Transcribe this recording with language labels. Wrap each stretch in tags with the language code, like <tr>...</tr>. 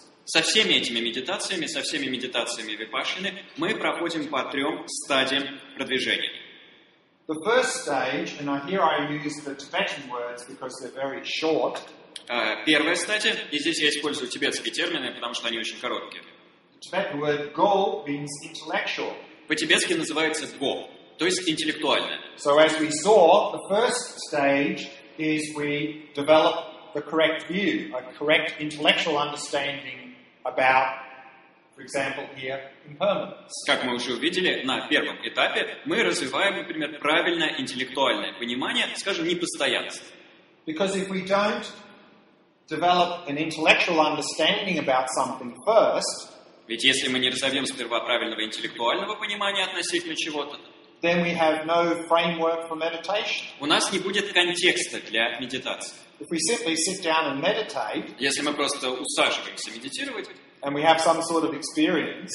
<ru>Со всеми этими медитациями, со всеми медитациями Випассаны, мы проходим по трем стадиям продвижения.</ru> <en>The first stage, and here I use the Tibetan words because they're very short.</en> <ru>Первая стадия, и здесь я использую тибетские термины, потому что они очень короткие.</ru> <en>The Tibetan word go means intellectual.</en> <ru>По-тибетски называется go, то есть интеллектуальное.</ru> <en>So as we saw, the first stage is we develop the correct view, a correct intellectual understanding about, for example, here, impermanence.</en> <ru>Как мы уже увидели, на первом этапе мы развиваем, например, правильное интеллектуальное понимание, скажем, непостоянства.</ru> <en>Because if we don't develop an intellectual understanding about something first,</en> <ru>ведь если мы не разовьем сперва правильного интеллектуального понимания относительно чего-то,</ru> <en>then we have no framework for meditation.</en> <ru>У нас не будет контекста для медитации.</ru> <en>If we simply sit down and meditate,</en> <ru>если мы просто усаживаемся медитировать,</ru> <en>and we have some sort of experience,</en>